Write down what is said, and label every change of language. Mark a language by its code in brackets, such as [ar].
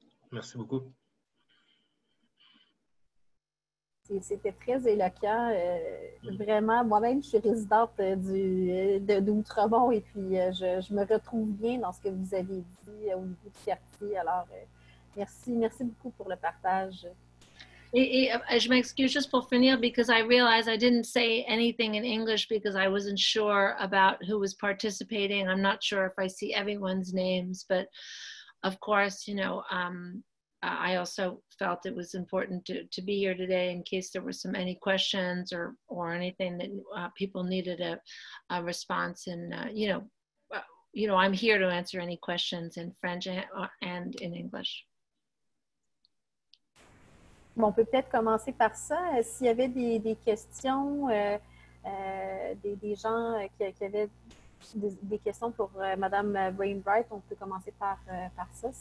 [fr] Merci beaucoup. C'était très éloquent. Vraiment, moi-même, je suis résidente d'Outremont et puis je me retrouve bien dans ce que vous avez dit au niveau du quartier. Alors, merci beaucoup pour le partage. Et je m'excuse juste pour finir, [en] because I realized I didn't say anything in English because I wasn't sure about who was participating. I'm not sure if I see everyone's names, but of course, you know, I also felt it was important to be here today in case there were some any questions or anything that people needed a response. And, you know, I'm here to answer any questions in French and in English. [fr] Bon, on peut peut-être commencer par ça. S'il y avait des questions, des gens qui avaient des questions pour Madame Wainwright, on peut commencer par ça.